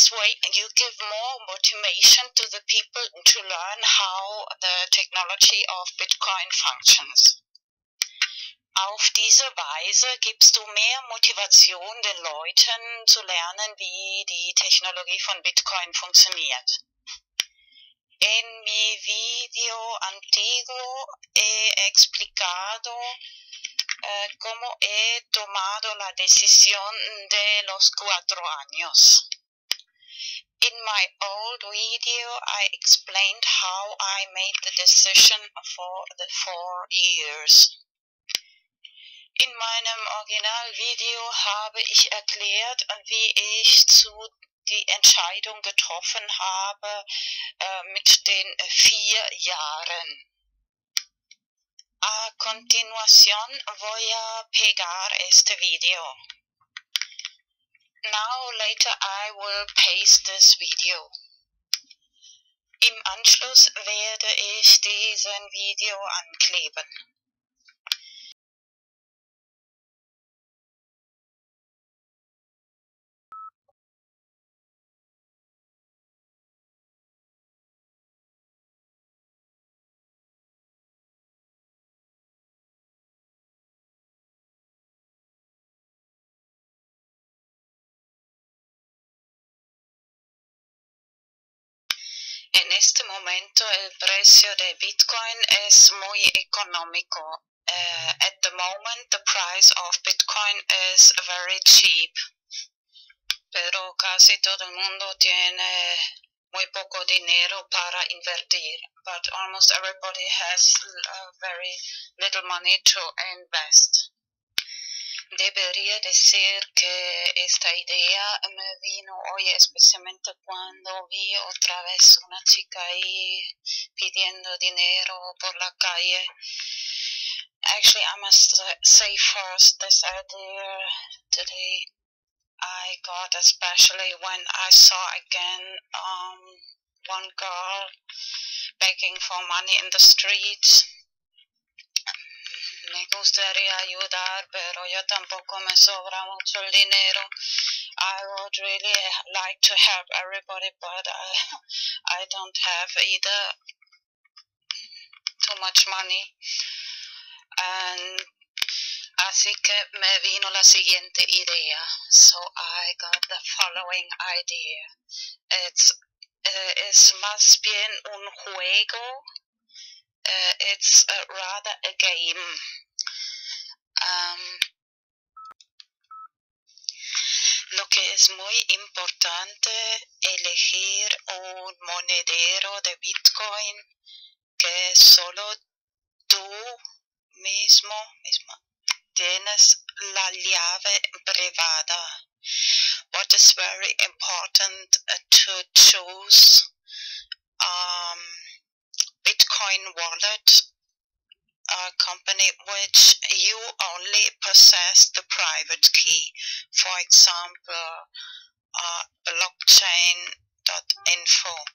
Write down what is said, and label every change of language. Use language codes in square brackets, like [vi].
[en] this way, you give more motivation to the people to learn how the technology of Bitcoin functions. [de] Auf diese Weise gibst du mehr Motivation den Leuten zu lernen, wie die Technologie von Bitcoin funktioniert. [es] En mi video antiguo he explicado cómo he tomado la decisión de los 4 años. [en] In my old video, I explained how I made the decision for the 4 years. [de] In meinem Originalvideo habe ich erklärt, wie ich zu die Entscheidung getroffen habe mit den 4 Jahren. [es] A continuación voy a pegar este video. [en] Now later I will paste this video. [de] Im Anschluss werde ich diesen Video ankleben. [es] En este momento el precio de Bitcoin es muy económico. [en] At the moment the price of Bitcoin is very cheap. [es] Pero casi todo el mundo tiene muy poco dinero para invertir. [en] But almost everybody has very little money to invest. [es] Debería decir que esta idea me vino hoy especialmente cuando vi otra vez una chica ahí pidiendo dinero por la calle. [en] Actually, I must say first this idea today I got especially when I saw again one girl begging for money in the streets. [es] Me gustaría ayudar, pero yo tampoco me sobra mucho el dinero. [en] I would really like to help everybody, but I don't have either too much money. [es] And así que me vino la siguiente idea. [en] So I got the following idea. It's [es] más bien un juego. [en] It's rather a game. [es] Lo que es muy importante elegir un monedero de Bitcoin que solo tú mismo tienes la llave privada. [en] What is very important to choose Bitcoin wallet, a company which you only possess the private key, for example, blockchain.info.